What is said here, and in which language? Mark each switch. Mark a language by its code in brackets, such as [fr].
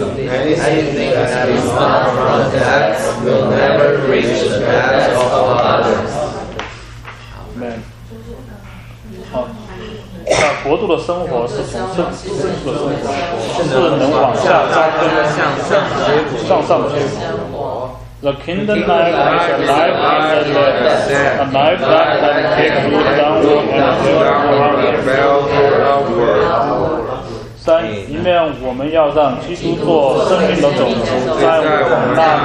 [en] Anything that is not from that will never reach the depth of others. Amen. [zh] 国度的生活是从深处的生活，是能往下扎根、向上的结果、向上的结果。 [en] The kingdom life is a life in the depths, a life that can take root downward and grow from the fell upward. [zh] 三，一面我们要让基督做生命的种子，在我们那